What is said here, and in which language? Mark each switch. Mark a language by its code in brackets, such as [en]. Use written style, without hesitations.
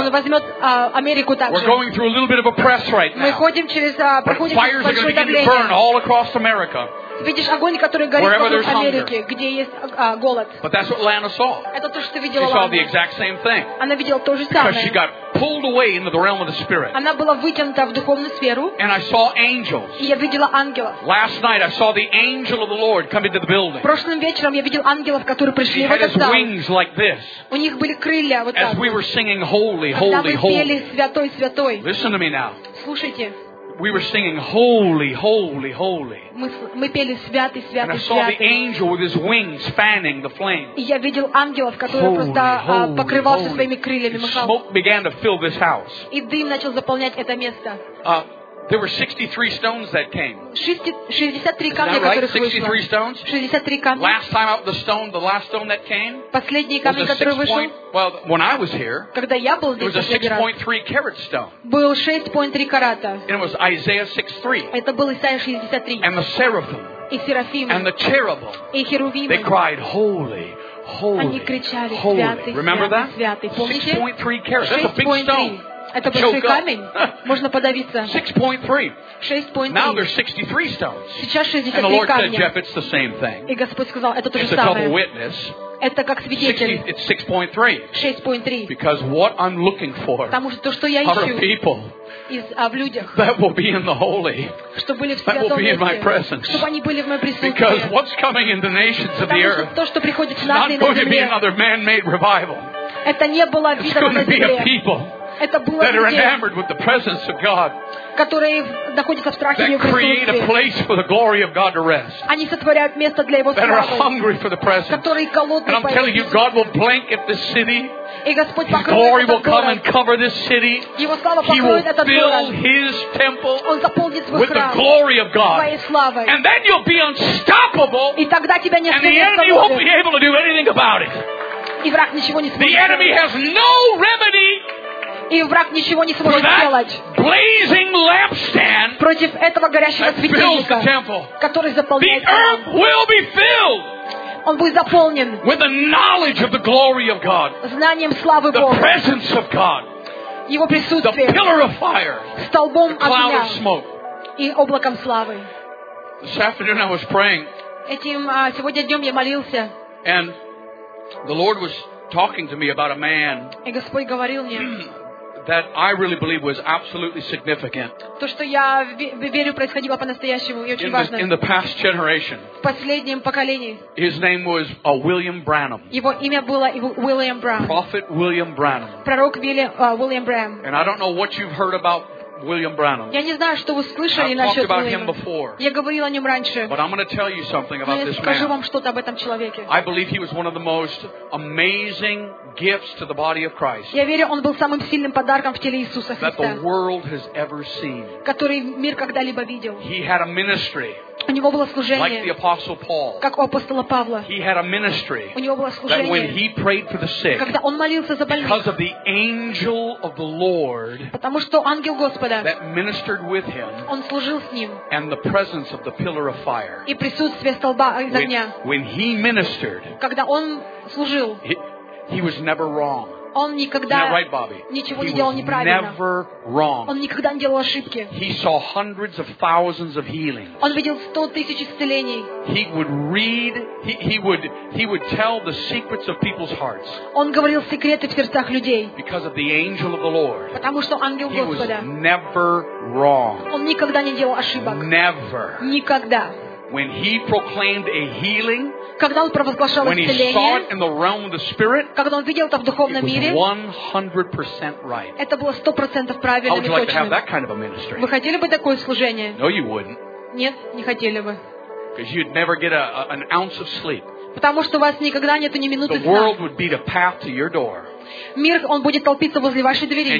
[ru] Он возьмет Америку также. [en] We're going through a little bit of a press right now. [ru] Мы ходим через проходим большое давление. [en] Fires are going to begin to burn all across America. [ru] Видишь огонь, который горит в Америке, где есть голод. [en] But that's what Lana saw. [ru] Это то, что видела [en] Лана. She saw the exact same thing. [ru] Она видела то же самое. [en] Because she got pulled away into the realm of the spirit. [ru] Она была вытянута в духовную сферу. [en] And I saw angels. [ru] И я видела ангелов. [en] Last night I saw the angel of the Lord come into the building. [ru] Прошлым вечером я видел ангелов, которые пришли в этот зал. [en] He had wings like this. [ru] У них были крылья вот так. [en] As we were singing holy, holy, holy. [ru] Когда мы пели святой, святой. [en] Listen to me now. [ru] Слушайте. [en] We were singing holy, holy, holy. [ru] Мы пели святый, святый, [en] And I saw the angel with his wings fanning the flame. [ru] Я видел ангелов, который просто покрывался своими крыльями. [en] Smoke began to fill this house. [ru] И дым начал заполнять это место. [en] There were 63 stones that came. [ru] 63 камня, которые вышли. [en] 63 stones. [ru] 63 камня. [en] Last time out the last stone that came. [ru] Последний камень, который вышел. [en] Well, when I was here. [ru] Когда я был здесь. [en] It was a 6.3 carat stone. [ru] Был 6.3 карата. [en] And it was Isaiah 6:3. [ru] Это был Исаия 63. [en] And the seraphim. [ru] И серафимы. [en] And the cherubim. [ru] И херувимы. [en] They cried, "Holy." Holy. [ru] Они кричали, "Святый, святый." [en] Remember that? 6.3 carat. That's a big stone. [ru] Это большой камень. Можно подавиться. [en] 6.3. Now there's 63 stones. [ru] Сейчас 63 камня. [en] And the Lord said, Jeff, it's the same thing. [ru] И Господь сказал, это то же самое. [en] It's a double witness. [ru] Это как свидетель. [en] It's 6.3. [ru] 6.3. [en] Because what I'm looking for. [ru] Потому что то, что я ищу. [en] Are people. [ru] Из, в людях. [en] That will be in the holy. [ru] Чтобы были в святом месте. [en] That will be in my presence. [ru] Чтобы они были в моем присутствии. [en] Because what's coming in the nations of the earth. [ru] То, что приходит в нации на земле. [en] Not going to be another man-made revival. [ru] Это не было видом на земле. [en] It's going to be a people. That are enamored with the presence of God. [ru] Которые находятся в страхе Его присутствия. Они сотворяют место для Его славы. Которые голодны по Его присутствии. И Господь покроет этот город. Его слава покроет этот город. Он заполнит свой храм своей славой. И тогда тебя не остановит. И враг ничего не сможет. [en] The enemy has no remedy. [ru] И враг ничего не сможет сделать против этого горящего светильника, который заполняет [en] the earth will be filled. [ru] Он будет заполнен [en] with the knowledge of the glory of God, [ru] знанием славы [en] the [ru] Бога, [en] presence of God, [ru] Его присутствие, [en] the pillar of fire, [ru] столбом [en] the cloud [ru] огня [en] of smoke. [ru] И облаком славы. [en] This afternoon I was praying, [ru] сегодня днем я молился, [en] and the Lord was talking to me about a man, [ru] и Господь говорил мне, [en] that I really believe was absolutely significant. [ru] То, что я верю, происходило по-настоящему, и очень важно. [en] In the past generation. [ru] В последнем поколении. [en] His name was William Branham. [ru] Его имя было William Branham. [en] Prophet William Branham. [ru] Пророк William Branham. [en] And I don't know what you've heard about William Branham. [ru] Я не знаю, что вы слышали насчёт него. [en] I've talked about him before. [ru] Я говорила о нём раньше. [en] But I'm going to tell you something about this man. [ru] Скажу вам что-то об этом человеке. [en] I believe he was one of the most amazing gifts to the body of Christ. [ru] Я верю, он был самым сильным подарком в теле Иисуса Христа. [en] That the world has ever seen. [ru] Который мир когда-либо видел. [en] He had a ministry. [ru] У него было служение. [en] Like the apostle Paul. [ru] Как у апостола Павла. [en] He had a ministry. [ru] У него было служение. [en] That when he prayed for the sick. [ru] Когда он молился за больных. [en] Because of the angel of the Lord. [ru] Потому что ангел Господа. [en] That ministered with him. [ru] Он служил с ним. [en] And the presence of the pillar of fire. [ru] И присутствие столба из огня. [en] When he ministered. [ru] Когда он служил. [en] He was never wrong. [ru] Он никогда ничего не делал неправильно. Он никогда не делал ошибки. [en] He saw hundreds of thousands of healings. [ru] Он видел 100 тысяч исцелений. [en] He would read, he would tell the secrets of people's hearts. [ru] Он говорил секреты в сердцах людей. [en] Because of the angel of the Lord. [ru] Потому что ангел Господа. [en] He was never wrong. [ru] Он никогда не делал ошибок. [en] Never. [ru] Никогда. [en] When he proclaimed a healing, [ru] когда он провозглашал исцеление, когда он видел это в духовном мире, [en] right. [ru] Это было 100% правильно. [en] How would you like to have that kind of a ministry? [ru] Вы хотели бы такое служение? [en] No, you wouldn't. [ru] Нет, не хотели бы. [en] Because you'd never get an ounce of sleep. [ru] Потому что у вас никогда нету ни минуты сна. [en] The world would beat a path to your door. [ru] Мир, он будет толпиться возле вашей двери.